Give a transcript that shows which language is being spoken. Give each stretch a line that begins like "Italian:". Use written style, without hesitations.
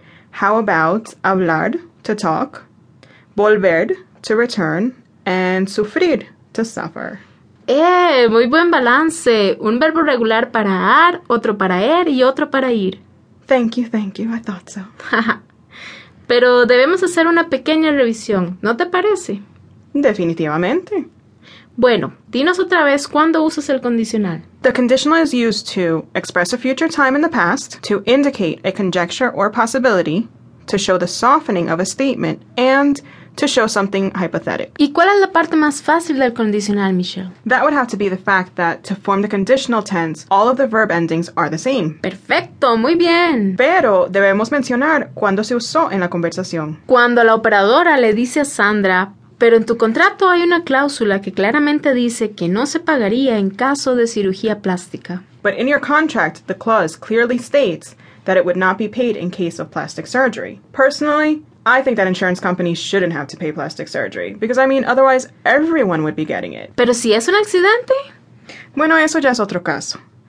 English: How about hablar, to talk, volver, to return, and sufrir, to suffer.
Spanish: Muy buen balance. Un verbo regular para ar, otro para er y otro para ir.
English: Thank you. I thought so.
Spanish: Pero debemos hacer una pequeña revisión, ¿no te parece? Definitivamente. Bueno, dinos otra vez cuándo usas el condicional.
English: The conditional is used to express a future time in the past, to indicate a conjecture or possibility, to show the softening of a statement, and to show something hypothetic.
Spanish: ¿Y cuál es la parte más fácil del condicional, Michelle?
English: That would have to be the fact that to form the conditional tense, all of the verb endings are the same.
Spanish: ¡Perfecto! ¡Muy bien! Pero debemos mencionar cuándo se usó en la conversación. Cuando la operadora le dice a Sandra, pero en tu contrato hay una cláusula que claramente dice que no se pagaría en caso de cirugía plástica.
English: But in your contract, the clause clearly states that it would not be paid in case of plastic surgery. Personally, I think that insurance companies shouldn't have to pay plastic surgery, because, I mean, otherwise everyone would be getting it.
Spanish: ¿Pero si es un accidente? Bueno, eso ya es otro caso.